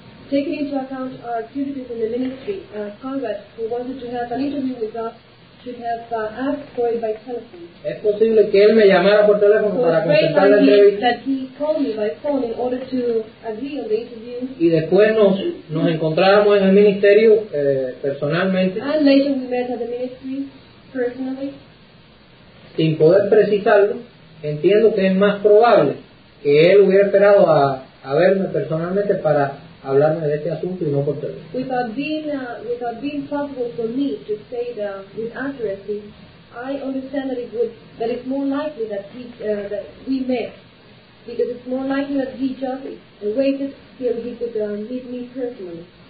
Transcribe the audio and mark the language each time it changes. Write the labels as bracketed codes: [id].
[en] Taking into account our activities in the ministry, comrades who wanted to have an interview with us should have asked for it by telephone. [es] Es posible que él me llamara por teléfono so para contestar la entrevista. [en] That he called me by phone in order to agree on the interview. [es] Y después nos encontrábamos en el ministerio personalmente. [en] And later we met at the ministry personally. [es] Sin poder precisarlo, entiendo que es más probable que él hubiera esperado a verme personalmente para hablarme de este asunto y no por teléfono. [en] Without being possible for me to say that with accuracy, I understand that it's more likely that we met, because it's more likely that he just waited till he could meet me personally.